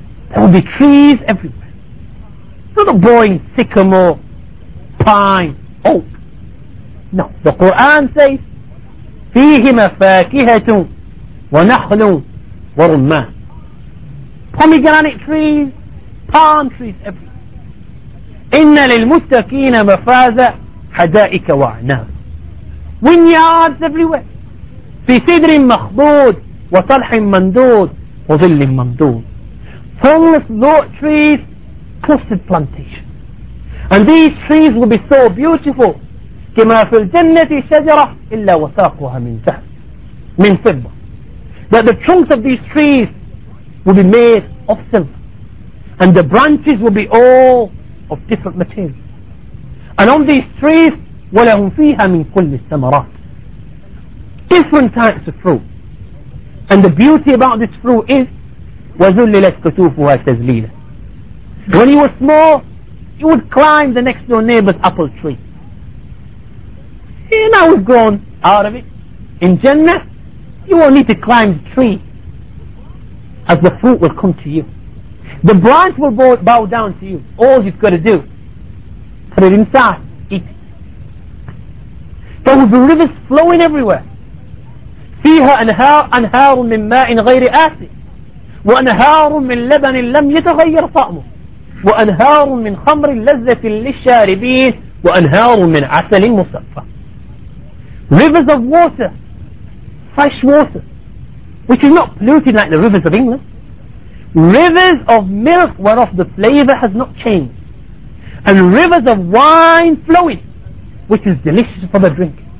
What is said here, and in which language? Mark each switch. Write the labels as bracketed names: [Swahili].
[English] There will be trees everywhere. Not a boring sycamore, pine, oak. No, the Quran says, [Arabic] فيهما فاكهة ونخل ورمان. [English] Pomegranate trees, palm trees everywhere. [Arabic] إن للمتقين مفازا حدائق وعناب. [English] Vineyards everywhere. [Arabic] في سدر مخضود وطلح مندود وظل ممدود. [English] Full of lot trees, clustered plantations. And these trees will be so beautiful. [Arabic] كما في الجنة شجرة إلا وساقها من ذهب من فضة. [English] That the trunks of these trees will be made of silver, and the branches will be all of different materials. And on these trees, [Arabic] ولهم فيها من كل الثمرات. [English] Different types of fruit. And the beauty about this fruit is, [Arabic] وَذُلِّلَتْ كُتُوفُهَا تَذْلِيلًا. [English] When you were small, you would climb the next door neighbor's apple tree. And now we've grown out of it. In Jannah, you won't need to climb the tree, as the fruit will come to you. The branch will bow down to you. All you've got to do, put it inside, eat. There will be rivers flowing everywhere. [Arabic] فيها أنهار من ماء غير آسي وأنهار من لبن لم يتغير طعمه وأنهار من خمر لذة للشاربين وأنهار من عسل مصفى. [English] Rivers of water, fresh water, which is not polluted like the rivers of England. Rivers of milk whereof the flavor has not changed. And rivers of wine flowing, which is delicious for the drink.